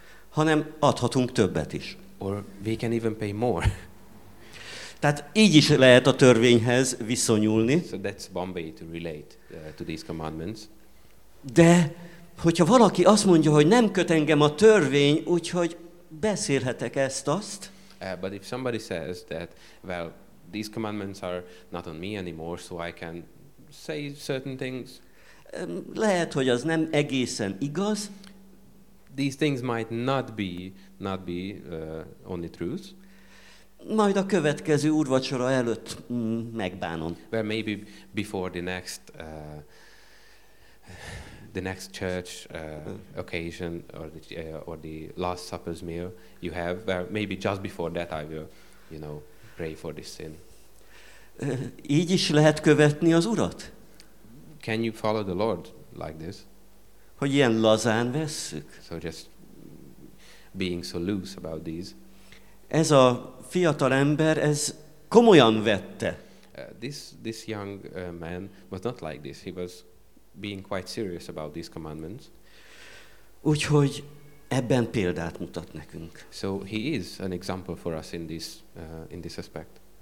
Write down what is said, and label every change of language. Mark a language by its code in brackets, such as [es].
[hu] Hanem adhatunk többet is. [en] Or we can even pay more. [hu] Tehát így is lehet a törvényhez viszonyulni. [en] So that's one way to relate to these commandments. [hu] De hogyha valaki azt mondja, hogy nem köt engem a törvény, úgyhogy beszélhetek ezt-azt. [en] But if somebody says that, well, these commandments are not on me anymore, so I can say certain things. [hu] Lehet, hogy az nem egészen igaz. [en] These things might not be only truths. [hu] Majd a következő úrvacsora előtt megbánom. [en] Well, maybe before the next church occasion or the Last Supper's meal you have, well, maybe just before that I will, you know, pray for this sin. [hu] Így is lehet követni az Urat? [en] Can you follow the Lord like this? [hu] Hogy ilyen lazán vesszük. [en] So just being so loose about these. [hu] Ez a fiatal ember, ez komolyan vette. [en] This young man was not like this. He was being quite serious about these commandments. [hu] Úgyhogy ebben példát mutat nekünk. [en] So he is an example for us in this aspect.